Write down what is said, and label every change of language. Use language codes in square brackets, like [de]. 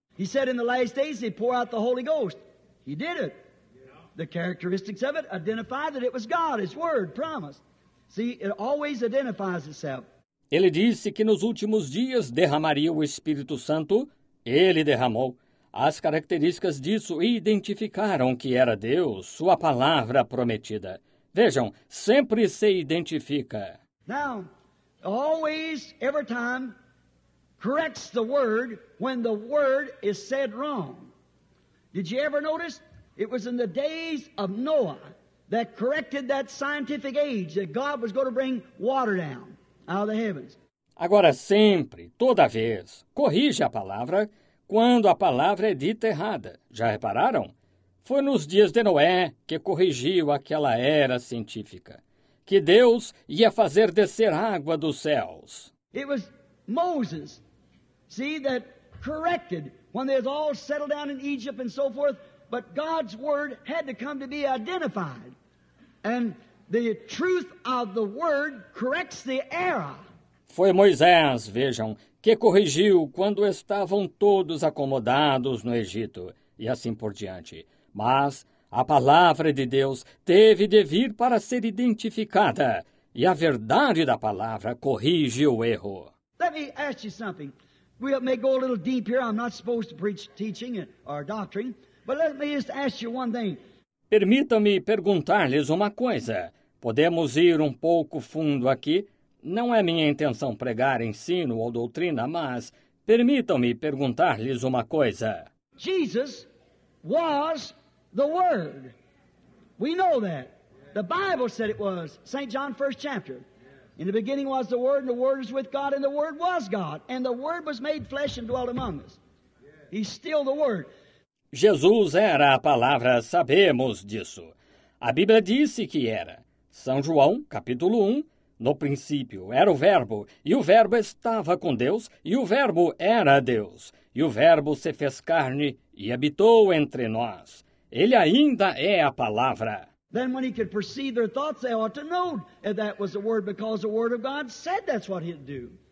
[en] He said in the last days he pour out the Holy Ghost. He did it. The characteristics of it identify that it was God, His word, promised. See, it always identifies itself. [pt] Ele disse que nos últimos dias derramaria o Espírito Santo. Ele derramou. As características disso identificaram que era Deus, sua palavra prometida. Vejam, sempre se identifica. [en] Now, always, every time, corrects the word when the word is said wrong. Did you ever notice? It was in the days of Noah that corrected that scientific age that God was going to bring water down out of the heavens. [pt] Agora sempre, toda vez, corrige a palavra quando a palavra é dita errada. Já repararam? Foi nos dias de Noé que corrigiu aquela era científica, que Deus ia fazer descer água dos céus. [en] It was Moses, see, that corrected when they all settled down in Egypt and so forth, but God's word had to come to be identified. And the truth of the word corrects the error. [pt] Foi Moisés, vejam, que corrigiu quando estavam todos acomodados no Egito, e assim por diante. Mas a palavra de Deus teve de vir para ser identificada, e a verdade da palavra corrige o erro. [en] Let me ask you something. We may go a little deep here. I'm not supposed to preach teaching or doctrine, but let me just ask you one thing. [pt] Permita-me perguntar-lhes uma coisa. Podemos ir um pouco fundo aqui. Não é minha intenção pregar ensino ou doutrina, mas permitam-me perguntar-lhes uma coisa. [en] Jesus was the Word. We know that. The Bible said it was. St. John, first chapter. In the beginning was the Word, and the Word was with God, and the Word was God. And the Word was made flesh and dwelt among us. He's still the Word. [pt] Jesus era a palavra, sabemos disso. A Bíblia disse que era. São João, capítulo 1. No princípio era o Verbo, e o Verbo estava com Deus, e o Verbo era Deus. E o Verbo se fez carne e habitou entre nós. Ele ainda é a palavra. [en] Then when he could perceive their thoughts, they ought to know that that was the word, because the word of God said that's what he'd do.